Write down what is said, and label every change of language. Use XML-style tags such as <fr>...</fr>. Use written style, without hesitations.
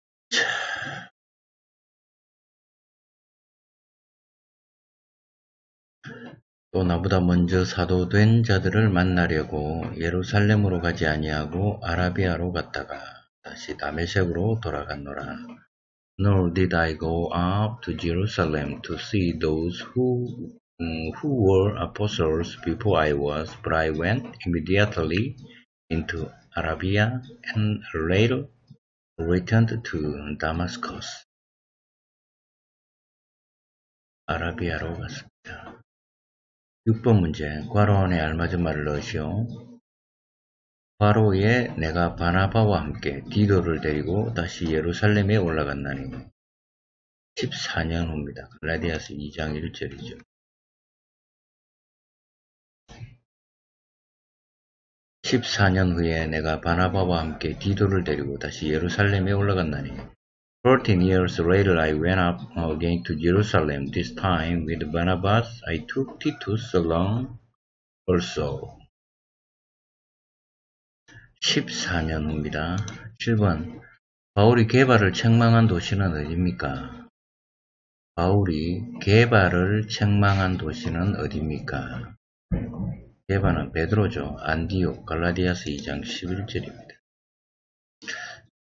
<ko>자, 또 나보다 먼저 사도 된 자들을 만나려고 예루살렘으로 가지 아니하고 아라비아로 갔다가 다시 다메섹으로 돌아갔노라.</ko> <en>Nor did I go up to Jerusalem to see those who were apostles before I was, but I went immediately into Arabia and later returned to Damascus.</en> <ko>아라비아로 갔습니다. 6번 문제, 과로 안에 알맞은 말을 넣으시오. 바로에 내가 바나바와 함께 디도를 데리고 다시 예루살렘에 올라갔나니. 14년 후입니다. 갈라디아서 2장 1절이죠. 14년 후에 내가 바나바와 함께 디도를 데리고 다시 예루살렘에 올라갔나니.</ko> <en>14 years later I went up again to Jerusalem. This time with Barnabas I took Titus along also.</en> <ko>14년 후입니다. 7번. 바울이 개발을 책망한 도시는 어디입니까? 바울이 개발을 책망한 도시는 어디입니까? 개발은 베드로죠. 안디옥, 갈라디아서 2장 11절입니다.</ko>